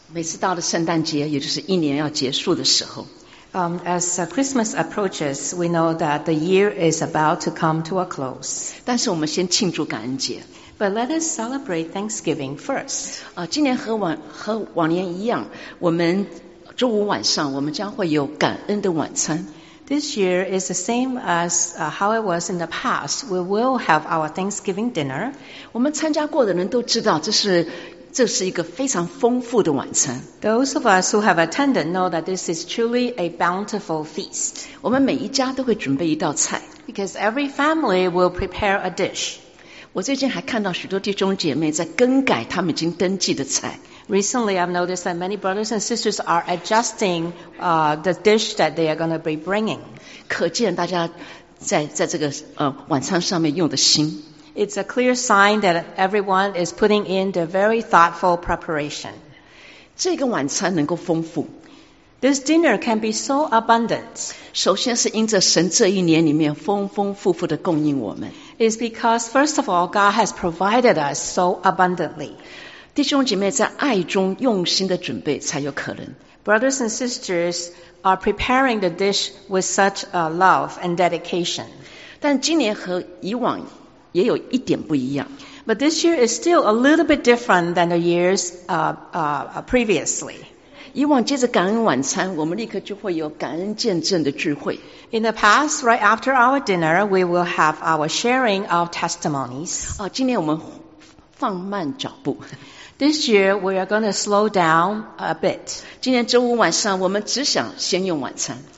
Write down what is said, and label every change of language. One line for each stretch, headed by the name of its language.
Chinese: 每次到了圣诞节，也就是一年要结束的时候。
English: As Christmas approaches, we know that the year is about to come to a close.
Chinese: 但是我们先庆祝感恩节。
English: But let us celebrate Thanksgiving first.
Chinese: 今年和往年一样，我们周五晚上我们将会有感恩的晚餐。
English: This year is the same as how it was in the past. We will have our Thanksgiving dinner.
Chinese: 我们参加过的人都知道这是一个非常丰富的晚餐。
English: Those of us who have attended know that this is truly a bountiful feast.
Chinese: 我们每一家都会准备一道菜。
English: Because every family will prepare a dish.
Chinese: 我最近还看到许多弟兄姐妹在更改他们已经登记的菜。
English: Recently, I've noticed that many brothers and sisters are adjusting the dish that they are going to be bringing.
Chinese: 可见大家在这个晚餐上面用的心。
English: It's a clear sign that everyone is putting in the very thoughtful preparation.
Chinese: 这个晚餐能够丰富。
English: This dinner can be so abundant.
Chinese: 首先是因着神这一年里面丰丰富富的供应我们。
English: It's because, first of all, God has provided us so abundantly.
Chinese: 弟兄姐妹在爱中用心的准备才有可能。
English: Brothers and sisters are preparing the dish with such a love and dedication.
Chinese: 但今年和以往也有一点不一样。
English: But this year is still a little bit different than the years previously.
Chinese: 以往接着感恩晚餐，我们立刻就会有感恩见证的聚会。
English: In the past, right after our dinner, we will have our sharing of testimonies.
Chinese: 今年我们放慢脚步。
English: This year, we are going to slow down a bit.
Chinese: 今天周五晚上我们只想先用晚餐。